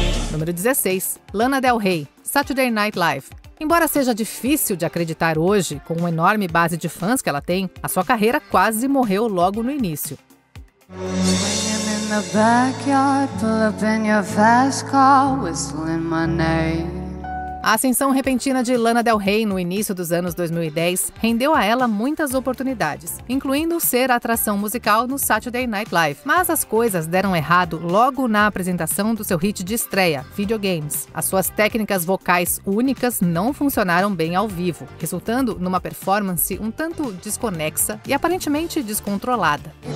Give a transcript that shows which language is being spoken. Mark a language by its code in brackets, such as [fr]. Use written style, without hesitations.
[pt] Número 16. Lana Del Rey, Saturday Night Live. Embora seja difícil de acreditar hoje, com uma enorme base de fãs que ela tem, a sua carreira quase morreu logo no início. [en] In the backyard, pull up in your fast car, whistling my name. [pt] A ascensão repentina de Lana Del Rey no início dos anos 2010 rendeu a ela muitas oportunidades, incluindo ser a atração musical no Saturday Night Live. Mas as coisas deram errado logo na apresentação do seu hit de estreia, Videogames. As suas técnicas vocais únicas não funcionaram bem ao vivo, resultando numa performance um tanto desconexa e aparentemente descontrolada.